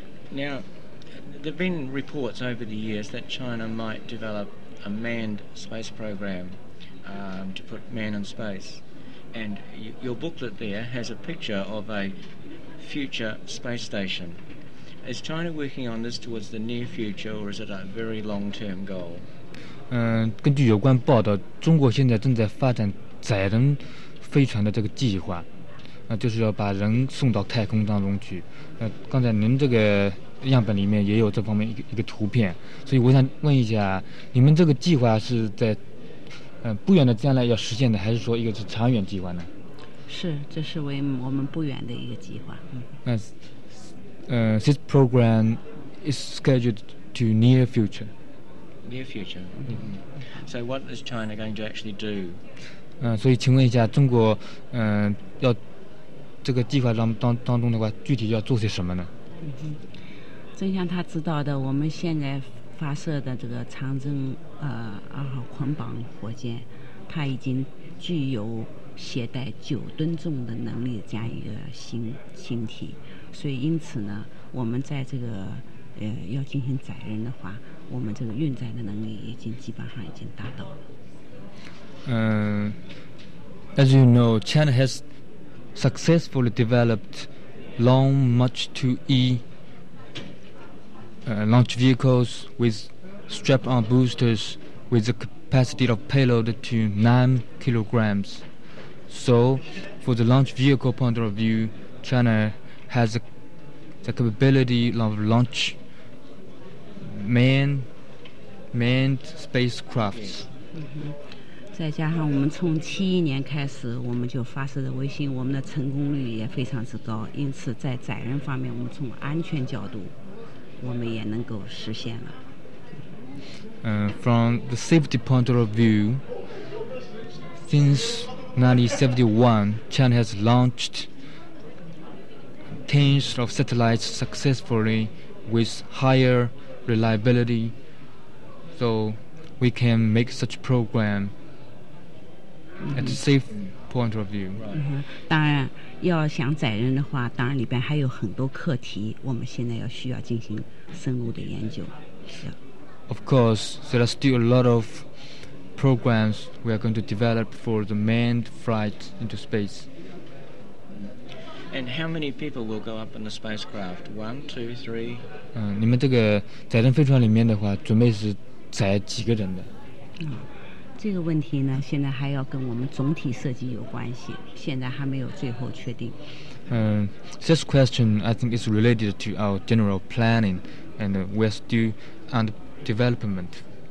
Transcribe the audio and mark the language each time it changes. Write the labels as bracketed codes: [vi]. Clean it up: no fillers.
[en] Now, there have been reports over the years that China might develop a manned space program, to put man in space. And your booklet there has a picture of a future space station. Is China working on this towards the near future, or is it a very long-term goal? [zh] 根据有关报道，中国现在正在发展载人飞船的这个计划，就是要把人送到太空当中去。刚才您这个样本里面也有这方面一个图片，所以我想问一下，你们这个计划是在不远的将来要实现的，还是说一个是长远计划呢？是，这是为我们不远的一个计划。 [en] This program is scheduled to near future. Near future. So what is China going to actually do? [zh] 所以请问一下，中国，要这个计划当中的话，具体要做些什么呢？正像他知道的，我们现在发射的这个长征二号捆绑火箭，它已经具有携带9吨重的能力这样一个星体，所以因此呢，我们在这个要进行载人的话。我们这个运载的能力已经基本上已经达到了。 [en] As you know, China has successfully developed Long March 2E launch vehicles with strap-on boosters with a capacity of payload to 9 kilograms. So, for the launch vehicle point of view, China has the capability of launch manned spacecrafts. [zh] 再加上我们从2017年开始我们就发射的卫星，我们的成功率也非常之高，因此在载人方面我们从安全角度我们也能够实现了。 [en] From the safety point of view, since 1971, China has launched tens of satellites successfully with higher reliability, so we can make such program at a safe point of view. [zh] 当然要想载人的话，当然里边还有很多课题我们现在要需要进行深入的研究。 [en] Of course, there are still a lot of programs we are going to develop for the manned flight into space. And how many people will go up in the spacecraft? One, two, three? [zh] 你们这个载人飞船里面的话，准备是载几个人的？这个问题呢，现在还要跟我们总体设计有关系，现在还没有最后确定。 [en] This question, I think, is related to our general planning, and we're still under development.